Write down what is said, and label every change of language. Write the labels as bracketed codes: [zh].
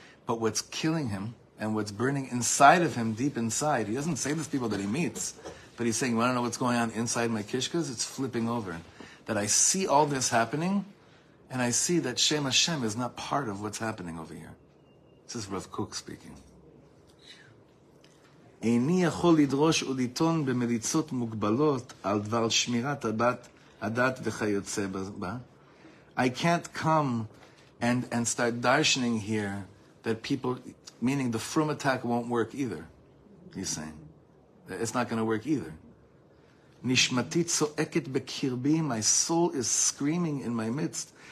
[en] But what's killing him and what's burning inside of him, deep inside, he doesn't say this to people that he meets, but he's saying, you want to know what's going on inside my kishkas? It's flipping over. That I see all this happening, and I see that Shem Hashem is not part of what's happening over here. This is Rav Kook speaking. [he] איני יכול לדרוש ולטעון במליצות מוגבלות על דבר שמירת הדת וכיוצא בה. [en] I can't come and start darshening here that people, meaning the frum attack won't work either, he's saying. It's not going to work either. [he] Nishmati zo'eket bekirbi. [en] My soul is screaming in my midst.